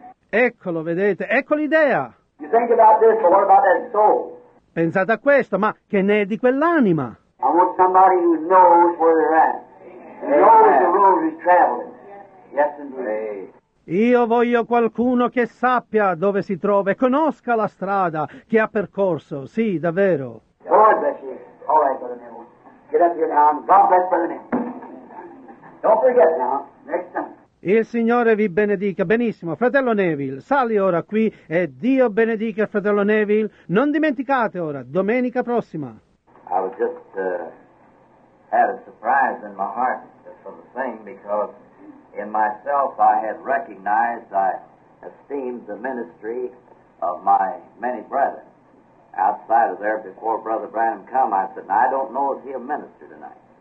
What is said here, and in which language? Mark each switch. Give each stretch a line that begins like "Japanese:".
Italian: Eccolo, vedete, ecco l'idea.
English: You think about this, but what about that soul?
Italian: Pensate a questo, ma che ne è di quell'anima?
English: I want somebody who knows where they're at. Amen. Knows the road he's traveling. Yes, indeed.
Italian: Io voglio qualcuno che sappia dove si trova e conosca la strada che ha percorso. Sì, davvero.
English: God bless you. All right, brother Neville. Get up here now. God bless brother Neville. Don't forget now. Next time.
Italian: Il Signore vi benedica. Benissimo, fratello Neville, sali ora qui e Dio benedica il fratello Neville. Non dimenticate ora, domenica prossima.
English: I was just had a surprise in my heart for the thing because in myself I had recognized, I esteemed the ministry of my many brethren. Outside of there, before Brother Branham come, I said, now, I don't know if he'll minister tonight.